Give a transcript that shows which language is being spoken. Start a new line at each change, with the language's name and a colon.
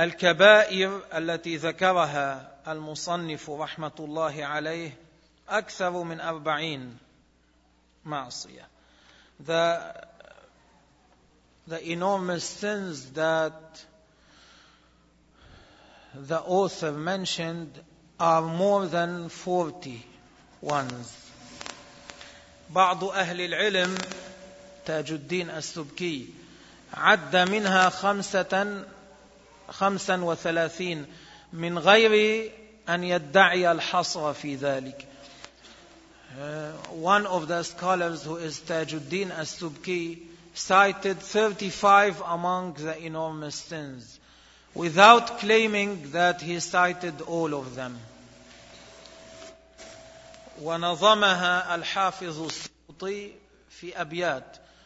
Arabic: الكبائر التي ذكرها المصنف رحمة الله عليه أكثر من 40 معصية.
English: The enormous sins that the author mentioned are more than 40 ones.
Arabic: بعض أهل العلم تاج الدين السبكي عد منها 35 من غير أن يدعي الحصر في ذلك.
English: One of the scholars who is Tajuddin As-Subki cited 35 among the enormous sins without claiming that he cited all of them.
Arabic: ونظمها الحافظ السيوطي في أبيات.